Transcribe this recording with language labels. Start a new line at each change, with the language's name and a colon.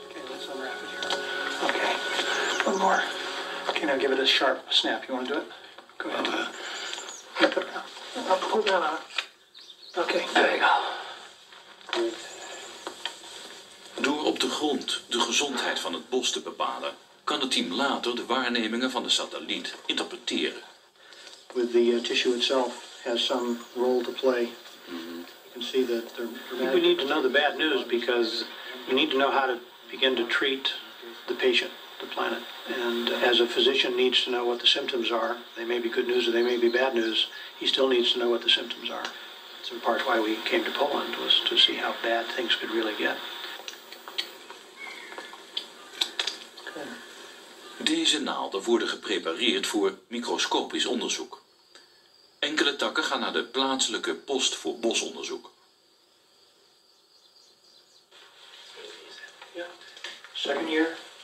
English: Oké, let's unwrap it here. Oké, one more. Oké, now give it a sharp snap. You want to do it? Go ahead. I'll put that on. Oké, there you go.
Dutch: Door op de grond de gezondheid van het bos te bepalen, kan het team later de waarnemingen van de satelliet interpreteren.
English: With the tissue itself has some role to play. You can see that we need to know the bad news because we need to know how to begin to treat the patient. the planet. And as a physician needs to know what the symptoms are, they may be good news or they may be bad news, he still needs to know what the symptoms are. It's in part why we came to Poland, was to see how bad things could really get.
Dutch: Deze naalden worden geprepareerd voor microscopisch onderzoek. Enkele takken gaan naar de plaatselijke post voor bosonderzoek.
English: Second year.